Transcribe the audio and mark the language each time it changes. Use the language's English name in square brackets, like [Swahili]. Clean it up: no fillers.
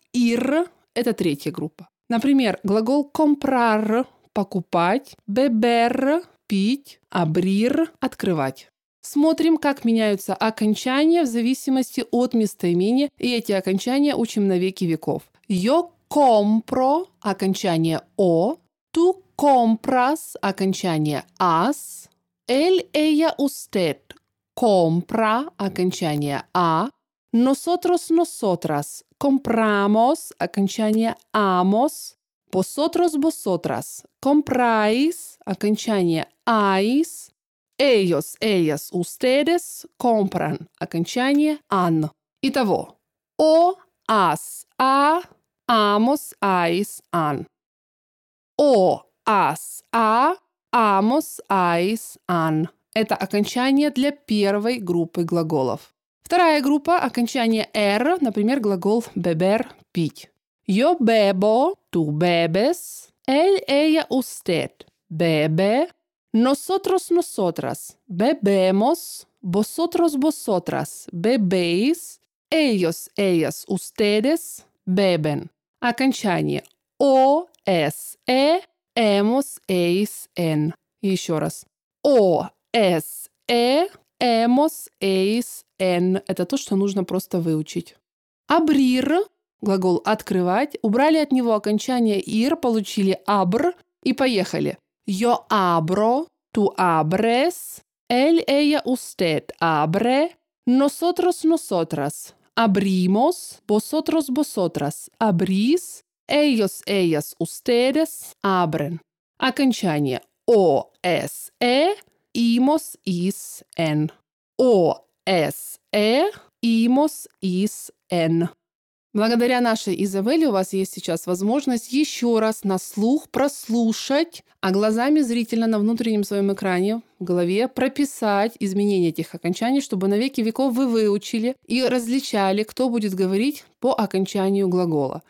[Russian] «Ir» – это третья группа. Например, глагол «comprar» – «покупать», «beber» – «пить», «abrir» – «открывать». Смотрим, как меняются окончания в зависимости от местоимения, и эти окончания учим на веки веков. [Spanish] Yo compro – окончание «о», tú compras – окончание «as», él, ella, usted – compra – окончание «а», nosotros, nosotras – compramos – окончание «amos», vosotros, vosotras – compráis – окончание «ais», ellos, ellas, ustedes compran. [Russian] Окончание an. [Spanish] Итого. O, as, a, amos, ais, an. O, as, a, amos, ais, an. [Russian] Это окончание для первой группы глаголов. Вторая группа – окончание r, например, глагол beber – пить. [Spanish] Yo bebo, tú bebes, él, ella, usted bebe. Nosotros, nosotras, bebemos, vosotros, vosotras, bebéis, ellos, ellas, ustedes, beben. [Russian] Окончание O, S, E, hemos, eis, en. Еще раз. O, S, E, hemos, eis, en. Это то, что нужно просто выучить. Abrir, глагол открывать, убрали от него окончание ir, получили abr и поехали. [Spanish] Yo abro, tú abres, él, ella, usted abre, nosotros, nosotras, abrimos, vosotros, vosotras, abrís, ellos, ellas, ustedes abren. [Russian] Окончание O, S, E, imos, is, en. [Spanish] O, S, E, imos, is, en. [Russian] Благодаря нашей Изабелле у вас есть сейчас возможность еще раз на слух прослушать, а глазами зрительно на внутреннем своем экране в голове прописать изменения этих окончаний, чтобы на веки веков вы выучили и различали, кто будет говорить по окончанию глагола.